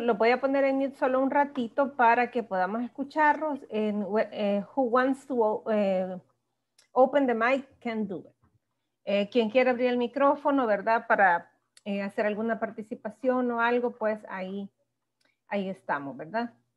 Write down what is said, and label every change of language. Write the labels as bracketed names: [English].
[Spanish] Lo voy a poner en mute solo un ratito para que podamos escucharlos. [English] And who wants to open the mic can do it. [Spanish] Quien quiera abrir el micrófono, ¿verdad? Para hacer alguna participación o algo, pues ahí estamos, ¿verdad?